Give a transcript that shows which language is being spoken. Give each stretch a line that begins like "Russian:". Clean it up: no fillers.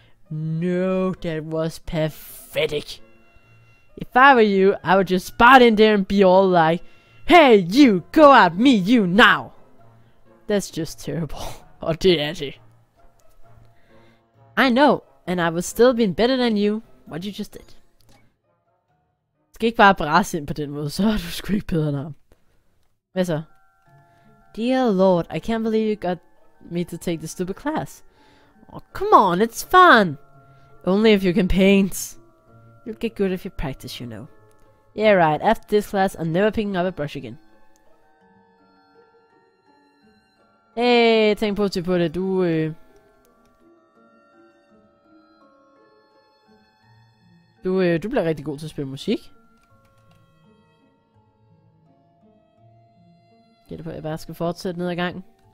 English: No, that was pathetic. If I were you, I would just spot in there and be all like, hey, you, go out, me, you, now. That's just terrible. Oh, dear, dear. I know, and I would still be better than you, what you just did.
Danish: Skal ikke bare brase ind på den måde, så har du sgu ikke bedre navn. Hvad så?
English: Dear lord, I can't believe you got me to take this stupid class. Oh, come on, it's fun. Only if you can paint. You'll get good if you practice, you know. Yeah, right. After this class, I'm never picking up a brush again.
Danish: Hey, tænk positivt på det. Du bliver rigtig god til at spille musik. Gætter på, at jeg bare skal fortsætte ned ad gangen.